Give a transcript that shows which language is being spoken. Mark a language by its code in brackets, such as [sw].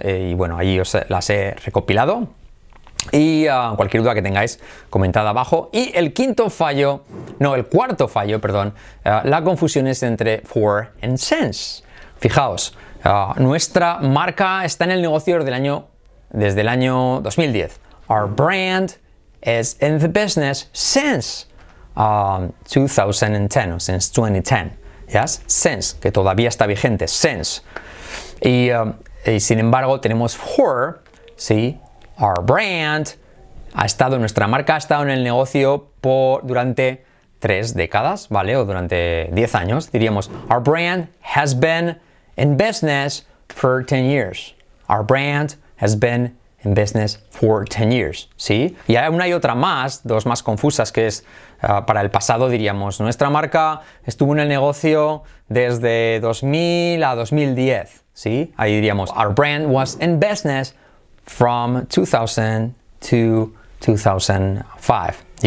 [es] Y bueno, ahí os las he recopilado. Y cualquier duda que tengáis, comentad abajo. Y el quinto fallo, no, el cuarto fallo, perdón, la confusión es entre for and since. Fijaos, nuestra marca está en el negocio desde el año 2010. [en] Our brand is in the business since 2010, [es] o [en] since 2010. Yes? [es] Since, que todavía está vigente, since. Y sin embargo, tenemos for, ¿sí? [en] Our brand [es] ha estado, nuestra marca ha estado en el negocio durante 3 décadas, ¿vale? O durante 10 años, diríamos. [en] Our brand has been in business for 10 years. Our brand has been in business for 10 years, ¿sí? [es] Y hay una y otra más, dos más confusas, que es para el pasado, diríamos. Nuestra marca estuvo en el negocio desde 2000 a 2010, ¿sí? Ahí diríamos, [en] our brand was in business from 2000 to 2005.